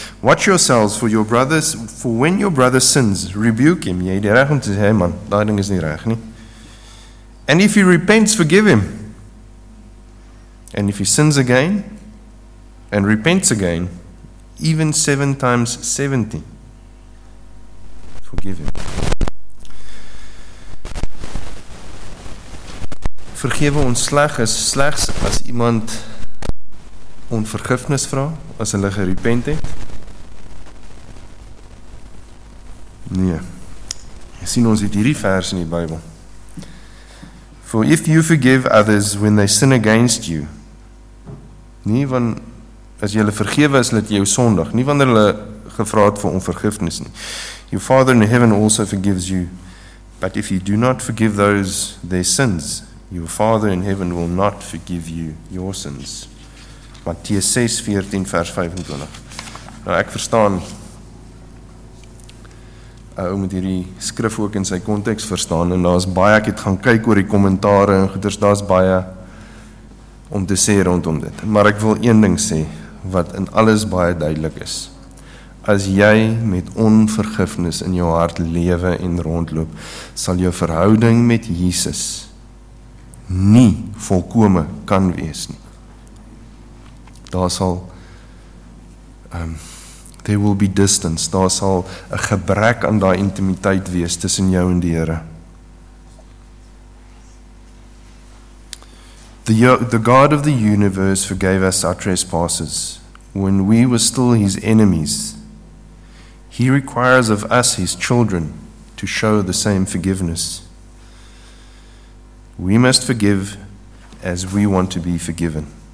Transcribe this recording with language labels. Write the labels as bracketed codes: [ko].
[en] Watch yourselves for your brothers, for when your brother sins, rebuke him. [af] Jy het die reg om te sê, [en] hey man, [af] daai ding is nie reg nie. [en] And if he repents, forgive him. And if he sins again, and repents again, even 7 times 70, forgive him. [af] Vergewe ons sleg is slegs as iemand om vergifnis vra, as hulle gerepent het. Nee. Jy sien ons het hierdie vers in die Bybel. [en] For if you forgive others when they sin against you, [af] nie van, as jy hulle vergewe is dit jou sondig, nie wanneer hulle gevra het vir onvergifnis nie. [en] Your Father in heaven also forgives you, but if you do not forgive those their sins, your Father in heaven will not forgive you your sins. [af] Matteus 6, 14, vers 25. Nou ek verstaan, ou moet hierdie skrif ook in sy context verstaan, en daar is baie, ek het gaan kyk oor die kommentare en goeders, daar is baie om te sê rondom dit. Maar ek wil een ding sê, wat in alles baie duidelik is. As jy met onvergifnis in jou hart lewe en rondloop, sal jou verhouding met Jesus nie volkome kan wees nie. Daar sal [en] there will be distance, [af] daar sal 'n gebrek aan daai intimiteit wees tussen jou en die Here. [en] The God of the universe forgave us our trespasses when we were still his enemies. He requires of us his children to show the same forgiveness. We must forgive as we want to be forgiven.